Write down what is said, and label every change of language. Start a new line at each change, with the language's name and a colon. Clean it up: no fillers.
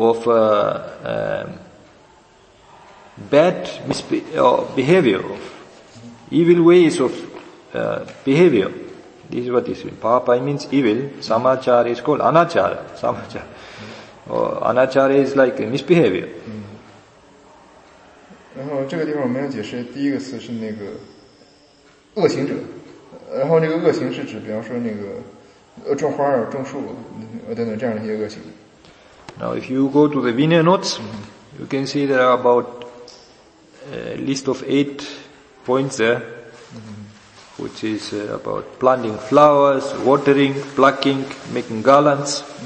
English: of bad behavior, of evil ways of behavior. This is what is evil. Papa means evil. Samachara is called anachara. Samachara. Mm-hmm. Anachara is like misbehavior.
Chinese: 然后这个地方我们要解释第一个词是那个恶行者，然后那个恶行是指，比方说那个种花啊、种树等等这样的一些恶行。
English: Now, if you go to the Vinaya notes, you can see there are about a list of 8 points there, which is about planting flowers, watering, plucking, making garlands.